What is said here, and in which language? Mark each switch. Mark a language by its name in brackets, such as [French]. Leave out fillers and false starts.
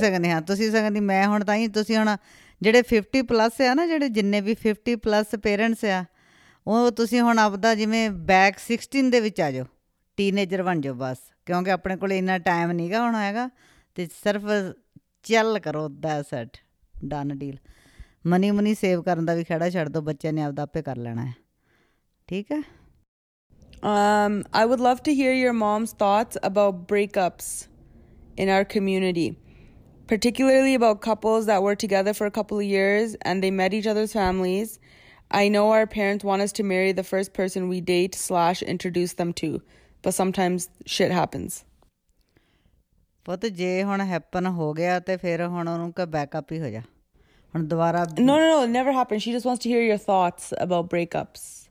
[Punjabi] ਸਕਦੇ ਹਾਂ ਤੁਸੀਂ ਸਕਦੇ ਮੈਂ ਹੁਣ ਤਾਂ ਹੀ ਤੁਸੀਂ ਹੁਣ ਜਿਹੜੇ 50+ ਆ ਨਾ ਜਿਹੜੇ ਜਿੰਨੇ ਵੀ 50+ ਪੇਰੈਂਟਸ ਆ ਉਹ ਤੁਸੀਂ ਹੁਣ ਆਪਦਾ ਜਿਵੇਂ ਬੈਕ 16 ਦੇ ਵਿੱਚ ਆ ਜਾਓ ਟੀਨੇਜਰ ਬਣ ਜਾਓ ਬਸ ਕਿਉਂਕਿ ਆਪਣੇ ਕੋਲ ਇੰਨਾ ਟਾਈਮ ਨਹੀਂ ਗਾ ਹੁਣ ਹੈਗਾ ਅਤੇ ਸਿਰਫ ਚੱਲ ਕਰੋ [English] that's it done deal [Punjabi] money money save ਕਰਨ ਦਾ ਵੀ ਖਹਿੜਾ ਛੱਡ ਦਿਓ ਬੱਚਿਆਂ ਨੇ ਆਪਦਾ ਆਪੇ ਕਰ ਲੈਣਾ ਹੈ ਠੀਕ ਹੈ। [English] I would love to hear your mom's thoughts about breakups in our community, particularly about couples that were together for a couple of years and they met each other's families. I know our parents want us to marry the first person we date slash introduce them to, but sometimes shit happens. [Punjabi] ਪਤ ਜੇ ਹੁਣ happen ਹੋ ਗਿਆ ਤੇ ਫਿਰ ਹੁਣ ਉਹਨੂੰ ਕਿ ਬੈਕਅਪ ਹੀ ਹੋ ਜਾ ਹੁਣ ਦੁਬਾਰਾ [English] no it never happened. She just wants to hear your thoughts about breakups.